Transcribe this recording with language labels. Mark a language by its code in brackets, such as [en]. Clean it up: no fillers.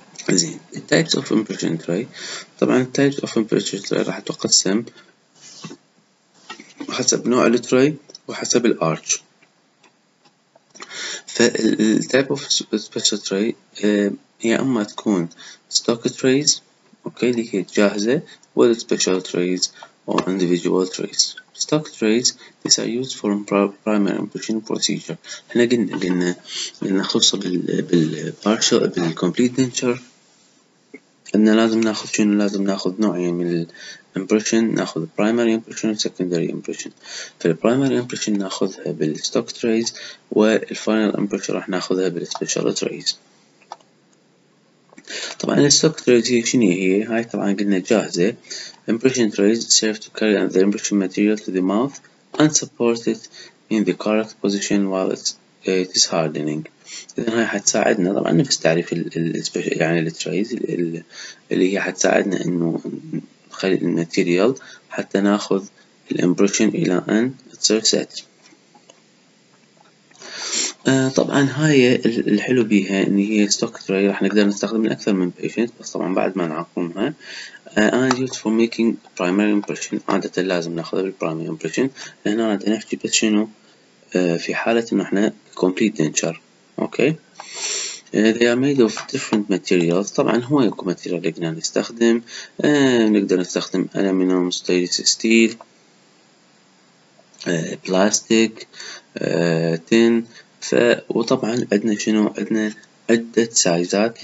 [ar] زين التايبس اوف امبريشن تري، طبعا التايبس اوف امبريشن تري راح تقسم حسب نوع التري وحسب الارتش. فالتايب اوف سبيشال تري هي اما تكون ستوك تريز، اوكي، اللي هي جاهزه، ولا [en] special trays or individual trays. Stock trays these are used for primary impression procedure. [ar] احنا قلنا خصوصا بالpartial بالcomplete denture ان لازم ناخذ شنو؟ لازم ناخذ نوعين من الimpression، ناخذ primary impression secondary impression. فالprimary impression ناخذها بالstock trays والfinal impression راح ناخذها بالspecial trays. طبعا الستوك تريز هي شنو هي؟ هاي طبعا قلنا جاهزه. [en] impression trays serve to carry the impression material to the mouth and support it in the correct position while it is hardening. [ar] اذا هاي حتساعدنا طبعا نفس تعريف يعني التريز اللي هي حتساعدنا انه نخلي الماتيريال حتى ناخذ الامبريشن الى ان تصير ست. طبعا هاي الحلو بيها ان هي ستوكتر راح نقدر نستخدم من اكثر من بيشنت، بس طبعا بعد ما نعقمها [en] And use for making primary impression. [ar] عاده لازم ناخذ البرايمري امبريشن. هنا عاد نحكي بس شنو في حاله انه احنا كومبليت دنتشر. اوكي [en] they are made of different materials. [ar] طبعا هو يكون ماتيريال اللي بدنا نستخدم، نقدر نستخدم الومنيوم، ستينلس ستيل، بلاستيك، تن. وطبعا عندنا شنو، عندنا عدة سايزات.